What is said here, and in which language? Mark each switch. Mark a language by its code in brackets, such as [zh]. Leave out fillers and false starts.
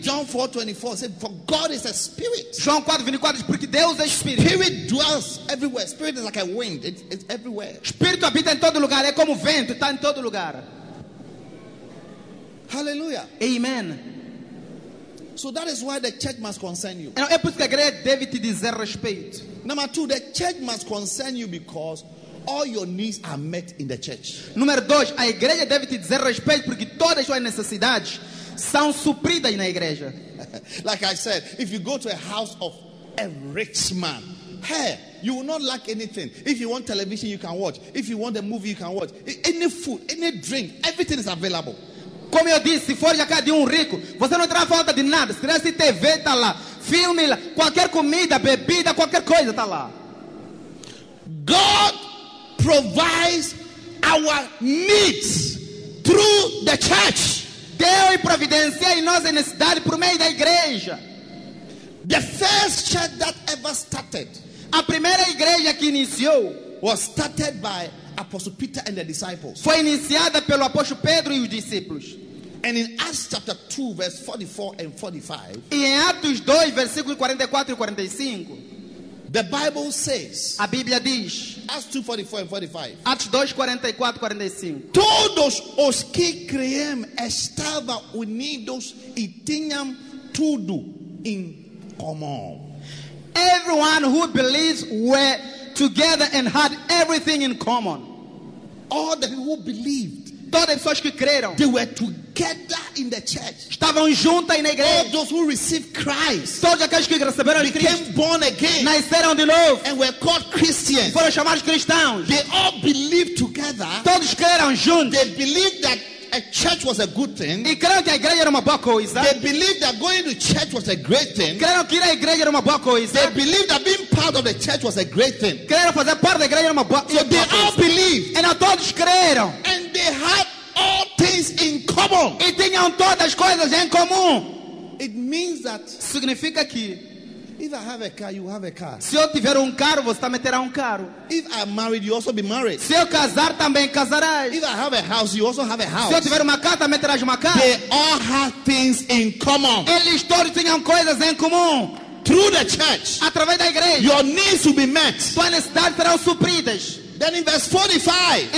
[en] John 4:24 said, for God is a spirit. [pt] João 4:24 diz porque Deus é espírito. [en] Spirit dwells everywhere. Spirit is like a wind. It's everywhere. [pt] Espírito habita em todo lugar. É como vento. Está em todo lugar. Hallelujah. Amen. [en] So that is why the church must concern you. [pt] É por isso que a igreja deve te dizer respeito. [en] Number two, the church must concern you because all your needs are met in the church. [pt] Número dois, a igreja deve te dizer respeito porque todas as suas necessidades são supridas na igreja. [en] Like I said, if you go to a house of a rich man, hey, you will not lack anything. If you want television, you can watch. If you want a movie, you can watch. Any food, any drink, everything is available. [pt] Como eu disse, se for a casa de um rico, você não terá falta de nada. Se tivesse TV, está lá. Filme, lá. Qualquer comida, bebida, qualquer coisa, está lá. [en] God provides our needs through the church. [pt] Deus providencia em nossa necessidade por meio da igreja. [en] The first church that ever started. [pt] A primeira igreja que iniciou. [en] Was started by Apostle Peter and the disciples. [pt] Foi iniciada pelo apóstolo Pedro e os discípulos. [en] And in Acts chapter 2 verse 44 and 45. [pt] E em Atos 2 versículo 44 e 45. [en] The Bible says. [pt] A Bíblia diz. [en] Acts 2:44 and 45. [pt] Atos 2:44 e 45. Todos os que creem estavam unidos e tinham tudo em comum. [en] Everyone who believes were together and had everything in common. All the people who believed, [pt] todas as pessoas que creram, [en] they were together in the church. [pt] Estavam juntas na igreja. [en] All those who received Christ, [pt] todos aqueles que receberam [en] Cristo, became born again, [pt] nasceram de novo, [en] and were called Christians. [pt] Foram chamados cristãos. [en] They all believed together. [pt] Todos creram juntos. [en] They believed that a church was a good thing. [pt] E creram que a igreja era uma boa coisa. [en] They believed that going to church was a great thing. [pt] Creram que ir à igreja era uma boa coisa. [en] They believed that being part of the church was a great thing. [pt] Creram fazer parte da igreja era uma boa coisa. [en] So they all believed. [pt] E todos creram. [en] And they had all things in common. [pt] E tinham todas as coisas em comum. [en] It means that [pt] significa que [en] If I have a car, you have a car. [pt] Se eu tiver carro, você também terá carro. [en] If I'm married, you also be married. [pt] Se eu casar, também casarás. [en] If I have a house, you also have a house. [pt] Se eu tiver casa, também terás casa. [en] They all have things in common. [pt] Eles todos tinham coisas em comum. [en] Through the church, [pt] através da igreja, [en] your needs will be met. [pt] Suas necessidades serão supridas. [en] Then in verse 45,